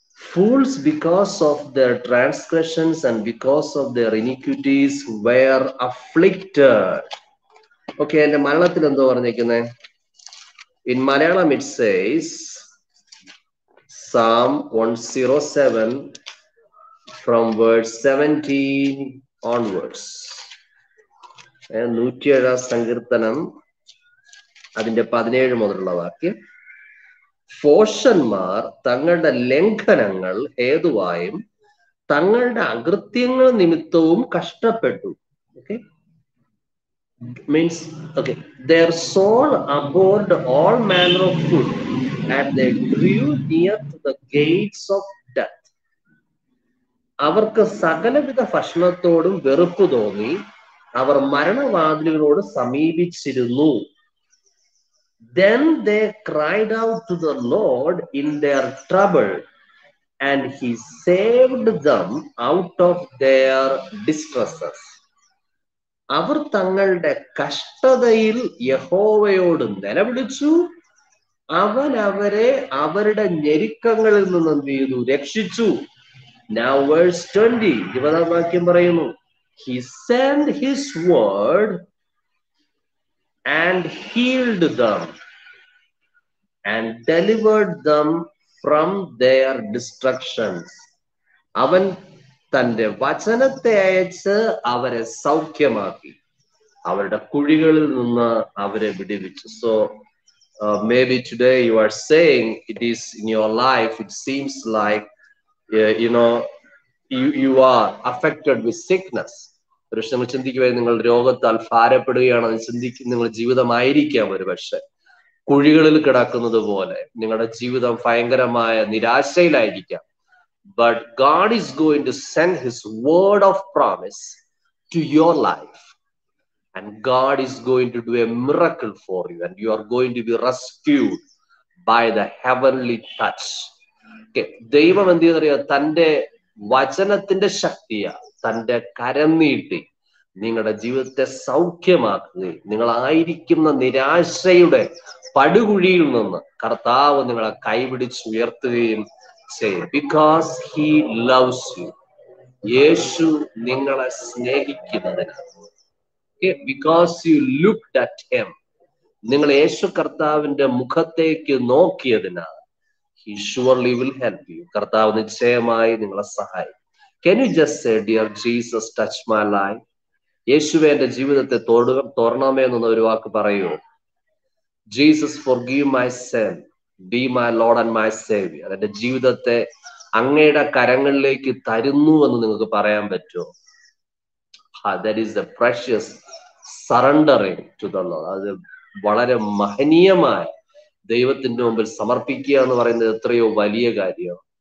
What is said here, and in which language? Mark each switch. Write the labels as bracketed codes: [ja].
[en] Fools, because of their transgressions and because of their iniquities, were afflicted. [ml] Okay, എന്റെ മരണത്തിൽ എന്തോ പറഞ്ഞേക്കുന്നെ. [en] In Malayalam it says psalm 107 from verse 17 onwards. [ml] 107-ാം സങ്കീർത്തനം അതിന്റെ 17 മുതലുള്ള വാക്യം. ഫോഷന്മാർ തങ്ങളുടെ ലംഘനങ്ങൾ ഹേതുവായും തങ്ങളുടെ അകൃത്യങ്ങൾ നിമിത്തവും കഷ്ടപ്പെട്ടു. [en] Okay, means okay, their soul abhorred all manner of food and they drew near to the gates of death. [ml] അവർക്ക് സകലവിധ ഭക്ഷണത്തോടും വെറുപ്പ് തോന്നി, അവർ മരണവാതിലുകളോട് സമീപിച്ചിരുന്നു. [en] Then they cried out to the Lord in their trouble and he saved them out of their distresses. [ml] അവർ തങ്ങളുടെ കഷ്ടതയിൽ യഹോവയോട് നിലവിളിച്ചു, അവൻ അവരെ അവരുടെ ഞെരുക്കങ്ങളിൽ നിന്ന് ചെയ്തു രക്ഷിച്ചു. [en] Now verse 20, [ml] 20-ാം വാക്യം പറയുന്നു, [en] He sent his word and healed them and delivered them from their destructions. [ml] അവൻ തന്റെ വചനത്തെ അയച്ച് അവരെ സൗഖ്യമാക്കി, അവരുടെ കുഴികളിൽ നിന്ന് അവരെ വിടുവിച്ചു. [en] So maybe today you are saying it is in your life it seems like you know you are affected with sickness. [ml] പക്ഷെ നിങ്ങൾ ചിന്തിക്കുക, നിങ്ങൾ രോഗത്താൽ ഭാരപ്പെടുകയാണെന്ന് ചിന്തിക്കുന്ന നിങ്ങളുടെ ജീവിതമായിരിക്കാം ഒരു പക്ഷെ കുഴികളിൽ കിടക്കുന്നത് പോലെ നിങ്ങളുടെ ജീവിതം ഭയങ്കരമായ നിരാശയിലായിരിക്കാം. [en] But God is going to send his word of promise to your life. And God is going to do a miracle for you. And you are going to be rescued by the heavenly touch. [ml] Okay. ദൈവം എന്ത് ചെയ്യുന്നു? തന്റെ വചനത്തിന്റെ ശക്തിയാൽ തന്റെ കരം നീട്ടി നിങ്ങളുടെ ജീവിതത്തെ സൗഖ്യമാക്കുകയും നിങ്ങളായിരിക്കുന്ന നിരാശയുടെ പടുകുഴിയിൽ നിന്ന് കർത്താവ് നിങ്ങളെ കൈപിടിച്ച് ഉയർത്തുകയും ചെയ്യും. [en] Because he loves you. [ml] യേശു നിങ്ങളെ സ്നേഹിക്കുന്നതിനാണ്. [en] because you look at him, [ml] നിങ്ങൾ യേശു കർത്താവിന്റെ മുഖത്തേക്ക് നോക്കിയതിനാണ്. [en] he surely will help you, [ml] കർത്താവ് നിശ്ചയമായി നിങ്ങളെ സഹായിക്കും. [en] Can you just say, dear Jesus, touch my life? [ml] യേശുവേ എന്റെ ജീവിതത്തെ തൊടണമേ എന്നൊന്ന് ഒരു വാക്ക് പറയൂ. [en] Jesus, forgive my sin. Be my Lord and my Savior. [ml] എന്റെ ജീവിതത്തെ അങ്ങയുടെ കരങ്ങളിലേക്ക് തരുന്നു എന്ന് നിങ്ങൾക്ക് പറയാൻ പറ്റുമോ? [en] That is a precious surrendering to the Lord. [ml] അത് വളരെ മഹനീയമായ ദൈവത്തിന്റെ മുമ്പിൽ സമർപ്പിക്കുക എന്ന് പറയുന്നത് എത്രയോ വലിയ കാര്യമാണ്.